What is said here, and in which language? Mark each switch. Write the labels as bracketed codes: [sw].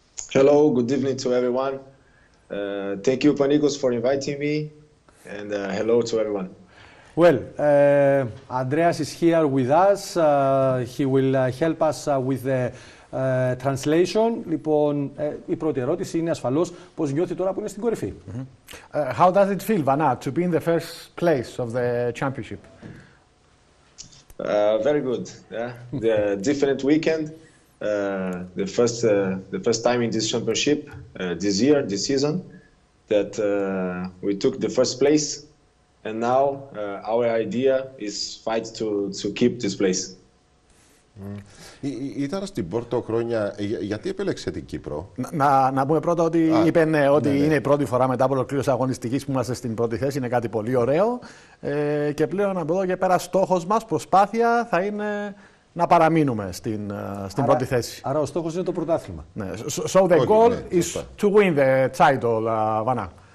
[en] Hello, good evening to everyone. Thank you, Panikos, for inviting me. And hello to everyone. Well, Andreas is here with us. He will help us with the translation. [el] Λοιπόν, η πρώτη ερώτηση είναι ασφαλώς πώς νιώθει τώρα που είναι στην κορυφή. [en] How does it feel, Vana, to be in the first place of the championship? Very good. Yeah. The different weekend. The first time in this championship this year, this season, that we took the first place, and now our idea is fight to keep this place. [el] Ήταν στην Πόρτο χρόνια, γιατί επέλεξε την Κύπρο? Να πούμε πρώτα ότι είπε ότι είναι η πρώτη φορά μετά από ολοκλήρωση αγωνιστικής που είμαστε στην πρώτη θέση, είναι κάτι πολύ ωραίο. Και πλέον από εδώ και πέρα στόχος μας, προσπάθεια, θα είναι να παραμείνουμε στην πρώτη θέση. Άρα ο στόχος είναι το πρωτάθλημα. Ναι. [en] So the goal is to win the title, Vana.